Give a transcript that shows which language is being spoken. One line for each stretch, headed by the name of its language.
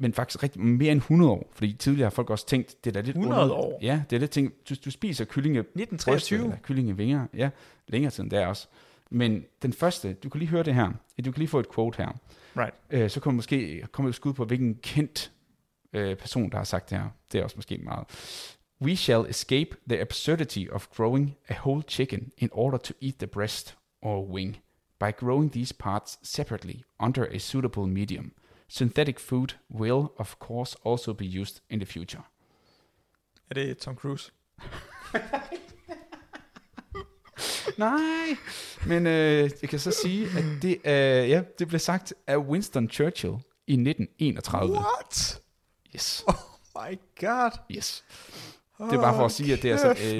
Danish: Men faktisk rigtig mere end 100 år, fordi tidligere har folk også tænkt, det er lidt 100 under år? Ja, det er lidt tænkt, du spiser kyllinge 1923. Eller kyllingevinger. Ja, længere tid end det er også. Men den første, du kan lige høre det her, du kan lige få et quote her.
English: Right.
Danish: Så kommer måske komme et skud på, hvilken kendt person, der har sagt det her. Det er også måske meget.
English: We shall escape the absurdity of growing a whole chicken in order to eat the breast or wing. By growing these parts separately under a suitable medium, synthetic food will, of course, also be used in the future.
Danish: Er det Tom Cruise? Nej, men jeg kan så sige, at det, ja, det blev sagt af Winston Churchill i 1931.
English: What? Yes. Oh my god.
Danish: Yes. Det er bare for at sige, at det er så.